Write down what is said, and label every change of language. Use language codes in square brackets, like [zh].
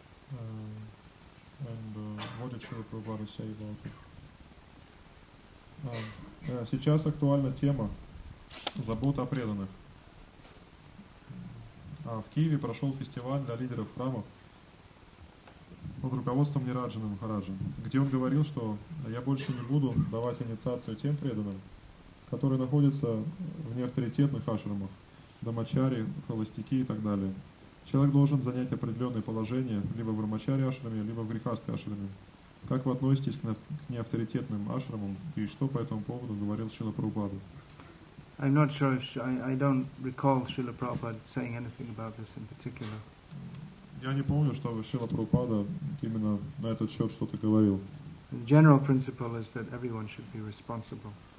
[en] What did Шрила Прабхупада say about it? [ru] Сейчас актуальна тема забот о преданных. В Киеве прошел фестиваль для лидеров храма под руководством Нираджана Махараджа, где он говорил, что я больше не буду давать инициацию тем преданным, которые находятся в неавторитетных ашрамах, дамачари, холостяки и так далее. Человек должен занять определенное положение либо в брахмачари ашраме, либо в грихастха ашраме. Как вы относитесь к неавторитетным ашрамам и что по этому поводу говорил Шрила Прабхупада? [en] I'm not sure. I don't recall Srila Prabhupada saying anything about this in particular. [ru] Я не помню, что Шрила Прабхупада именно на этот счет что-то говорил. [en] The general principle is that everyone should be responsible.